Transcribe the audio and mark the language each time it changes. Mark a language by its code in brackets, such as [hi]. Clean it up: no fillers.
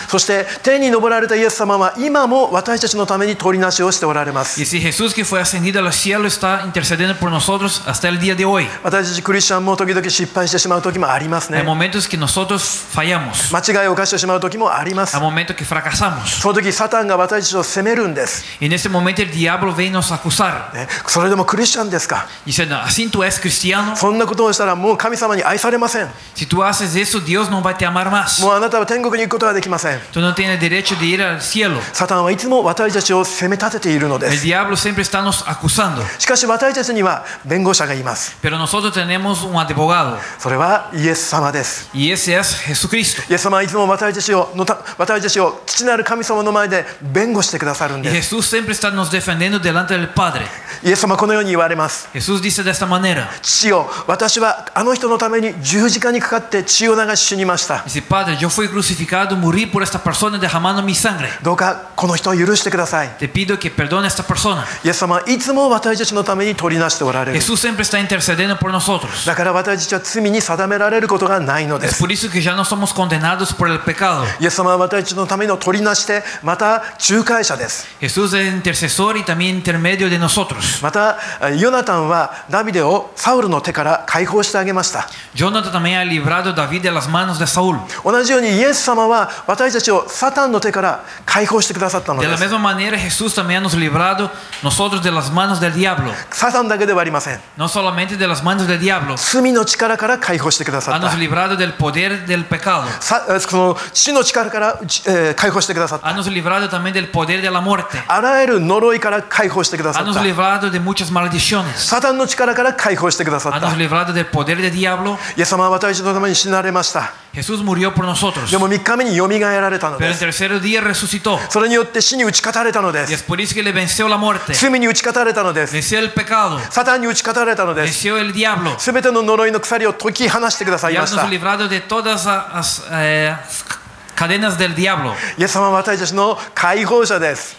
[ja] そして天に昇られたイエス様は今も私たちのために取りなしをしておられます。 [es] Y si Jesús que fue ascendido al cielo está intercediendo por nosotros hasta el día de hoy. [ja] 私たちクリスチャンも時々失敗してしまう時もありますね。 [es] Hay momentos que nosotros fallamos. [ja] 間違いを犯してしまう時もあります。 [es] Hay momentos que fracasamos. [ja] その時サタンが私たちを責めるんです。 [es] En ese momento, el diablo viene nos acusar. [ja] それでもクリスチャンですか。 [es] Diciendo, así tú eres cristiano. [ja] そんなことをしたらもう神様に愛されません。 [es] Si tú haces eso, Dios no va a te amar más. [ja] もうあなたは天国に行くことはできません。 [es] Tú no tienes derecho de ir al cielo. [ja] サタンはいつも私たちを責め立てているのです。 [es] El diablo siempre está nos acusando. [ja] しかし私たちには弁護者がいます。 [es] Pero nosotros tenemos un abogado. [ja] それはイエス様です。 [es] Y ese es Jesucristo. [ja] イエス様はいつも私たちを父なる神様の前で弁護してくださるんです。 [es] Jesús siempre está nos defendiendo delante del Padre. [ja] イエス様はこのように言われます。 [es] Jesús dice de esta manera. [ja] 父よ、私はあの人のために十字架にかかって血を流し死にました。 [es] Dice, Padre, yo fui crucificado, morí por esta persona derramando mi sangre. [ja] どうかこの人を許してください。 [es] Te pido que perdone esta persona. [ja] イエス様はいつも私たちのために取りなしておられる。 [es] Jesús siempre está intercediendo por nosotros. [ja] だから私たちは罪に定められることがないのです。 [es] Es por eso que ya no somos condenados por el pecado. [ja] イエス様は私たちのための取りなしてまた仲介者です。 [es] Jesús es intercesor y también intermedio de nosotros. [ja] また、ヨナタンはダビデをサウルの手から解放してあげました。 [es] ヨナタン también ha librado David de las manos de Saúl. [ja] 同じようにイエス様は私たちをサタンの手から解放してくださったのです。 [es] De la misma manera Jesús también ha nos librado nosotros de las manos del diablo. [ja] サタンだけではありません。 [es] No solamente de las manos del diablo. [ja] 罪の力から解放してくださった。 [es] Ha nos librado del poder del pecado. [ja] その死の力から、解放してくださった。 [es] Ha nos librado también del poder de la muerte. [ja] あらゆる呪いから解放してくださった。 [es] Nos librado de muchas maldiciones. [ja] サタンの力から解放してくださった。 [es] Nos librado del poder de diablo. [ja] イエス様は私のために死なれました。 [es] Jesús murió por nosotros. [ja] でも3日目によみがえられたのです。 [es] Pero el tercer día resucitó. [ja] それによって死に打ち勝たれたのです。 [es] Y es por eso que le venció la muerte. [ja] 罪に打ち勝たれたのです。 [es] Venció el pecado. [ja] サタンに打ち勝たれたのです。 [es] Venció el diablo. [ja] すべての呪いの鎖を解き放してくださいました。 [es] Y nos librado de todas las cadenas del diablo. [ja] イエス様は私たちの解放者です。